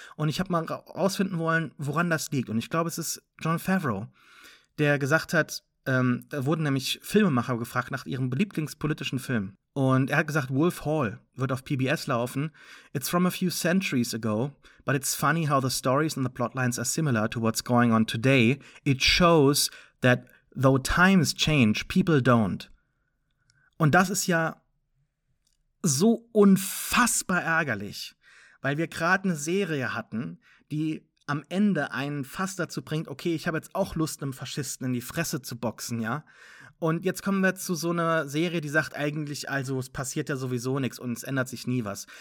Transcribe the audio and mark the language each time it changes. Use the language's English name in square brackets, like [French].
[German] Und ich habe mal rausfinden wollen, woran das liegt. Und ich glaube, es ist Jon Favreau, der gesagt hat, da wurden nämlich Filmemacher gefragt nach ihrem lieblingspolitischen Film. Und er hat gesagt, Wolf Hall wird auf PBS laufen. [English] It's from a few centuries ago, but it's funny how the stories and the plotlines are similar to what's going on today. It shows that though times change, people don't. [German] Und das ist ja so unfassbar ärgerlich, weil wir gerade eine Serie hatten, die am Ende einen fast dazu bringt, okay, ich habe jetzt auch Lust, einem Faschisten in die Fresse zu boxen, ja? Und jetzt kommen wir zu so einer Serie, die sagt eigentlich, also es passiert ja sowieso nichts und es ändert sich nie was.